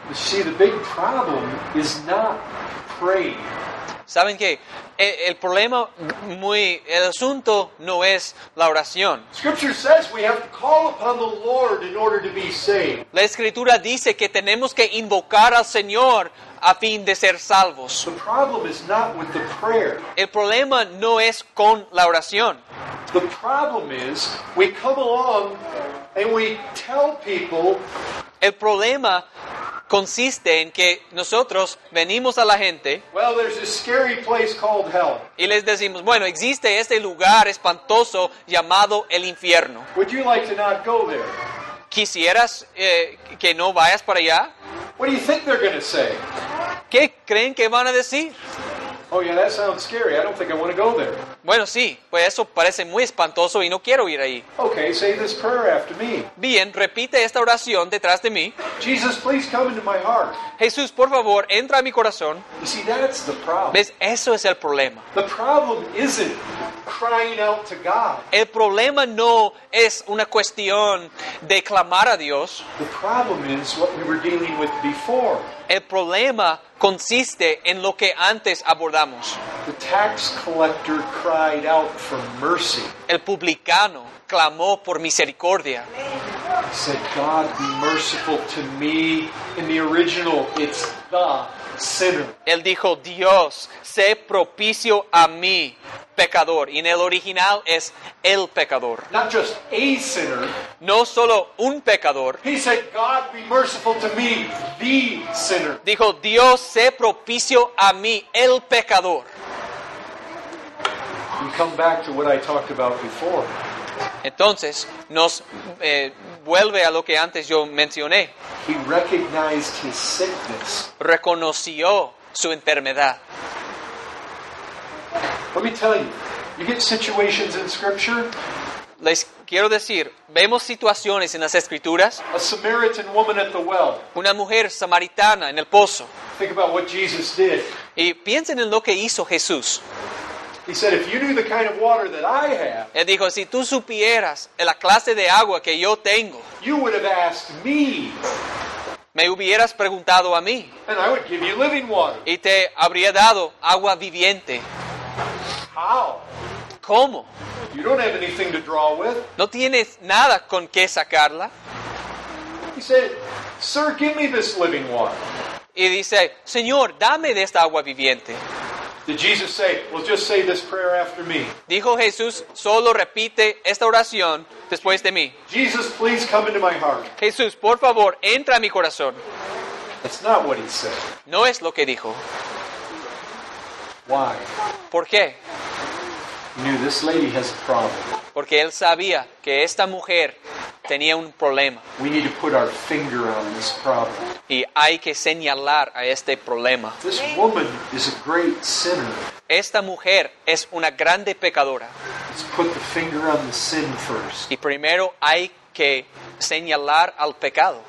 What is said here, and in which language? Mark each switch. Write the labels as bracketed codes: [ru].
[en] You see, the big problem is not praying. [es] ¿Saben qué? El problema el asunto no es la oración. [en] Scripture says we have to call upon the Lord in order to be saved. [es] La escritura dice que tenemos que invocar al Señor a fin de ser salvos. [en] The problem is not with the prayer. [es] El problema no es con la oración. [en] The problem is we come along and we tell people. [es] El problema consiste en que nosotros venimos a la gente. [en] Well, there's a scary place called hell. [es] Y les decimos, bueno, existe este lugar espantoso llamado el infierno. [en] Would you like to not go there? [es] ¿Quisieras que no vayas para allá? [en] What do you think they're going to say? [es] ¿Qué creen que van a decir? [en] Oh yeah, that sounds scary. I don't think I want to go there. [es] Bueno, sí. Pues eso parece muy espantoso y no quiero ir ahí. [en] Okay, say this prayer after me. [es] Bien, repite esta oración detrás de mí. [en] Jesus, please come into my heart. [es] Jesús, por favor, entra a mi corazón. [en] You see, that's the problem. [es] ¿Ves? Eso es el problema. [en] The problem isn't crying out to God. [es] El problema no es una cuestión de clamar a Dios. [en] The problem is what we were dealing with before. [es] El problema consiste en lo que antes abordamos. [en] The tax collector cried out for mercy. [es] El publicano clamó por misericordia. [en] He said, God be merciful to me. In the original, it's the sinner. [es] Él dijo, Dios, sé propicio a mí, pecador. Y en el original es el pecador. [en] Not just a sinner. [es] No solo un pecador. [en] He said, God be merciful to me, the sinner. [es] Dijo, Dios, sé propicio a mí, el pecador. [en] We come back to what I talked about before. [es] Entonces, nos vuelve a lo que antes yo mencioné. [en] He recognized his sickness. [es] Reconoció su enfermedad. [en] Let me tell you, you get situations in Scripture. [es] Les quiero decir, vemos situaciones en las Escrituras. [en] A Samaritan woman at the well. [es] Una mujer samaritana en el pozo. [en] Think about what Jesus did. [es] Y piensen en lo que hizo Jesús. [en] He said, if you knew the kind of water that I have, [es] él dijo, si tú supieras la clase de agua que yo tengo, [en] you would have asked me. [es] Me hubieras preguntado a mí. [en] And I would give you living water. [es] Y te habría dado agua viviente. [en] How? [es] ¿Cómo? [en] You don't have anything to draw with. [es] No tienes nada con qué sacarla. [en] He said, sir, give me this living water. [es] Y dice, señor, dame de esta agua viviente. [en] Did Jesus say, well, just say this prayer after me. [es] Dijo Jesús, solo repite esta oración después de mí. [en] Jesus, please come into my heart. [es] Jesús, por favor, entra a mi corazón. [en] That's not what he said. [es] No es lo que dijo. [en] Why? [es] ¿Por qué? [en] He knew this lady has a problem. [es] Porque él sabía que esta mujer tenía un problema. [en] We need to put our finger on this problem. [es] Y hay que señalar a este problema. [en] This woman is a great sinner. [es] Esta mujer es una grande pecadora. [en] Let's put the finger on the sin first. [es] Y primero hay que señalar al pecado.